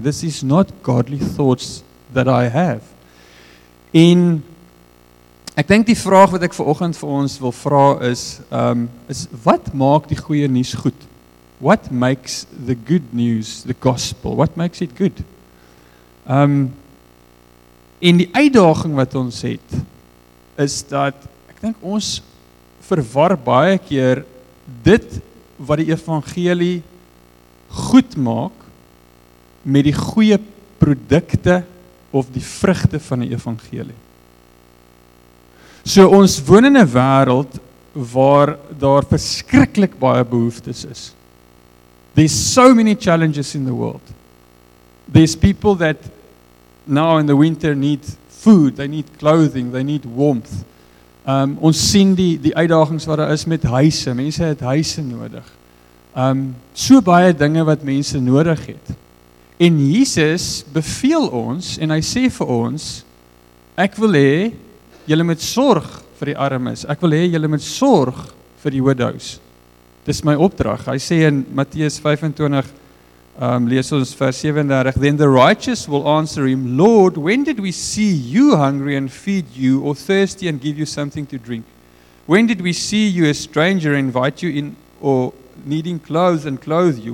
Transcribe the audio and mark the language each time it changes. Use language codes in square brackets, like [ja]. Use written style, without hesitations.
[en] This is not godly thoughts that I have. [af] En ek denk die vraag wat ek vanoggend vir ons wil vra is, is wat maak die goeie nuus goed? [en] What makes the good news, the gospel, what makes it good? [af] En die uitdaging wat ons het, is dat, ek denk ons verwar baie keer dit wat die evangelie goed maak met die goeie produkte of die vrugte van die evangelie. So ons woon in 'n wêreld waar daar verskriklik baie behoeftes is. [en] There's so many challenges in the world. There's people that now in the winter need food, they need clothing, they need warmth. [af] Ons sien die uitdagings wat daar is met huise. Mense het huise nodig. So baie dinge wat mense nodig het. En Jesus beveel ons en hy sê vir ons, ek wil hê julle moet sorg vir die armes. Ek wil hê julle moet sorg vir die widows. Dis my opdrag. Hy sê in Matteus 25, lees ons vers 37, [en] Then the righteous will answer him, Lord, when did we see you hungry and feed you, or thirsty and give you something to drink? When did we see you a stranger invite you in, or needing clothes and clothe you?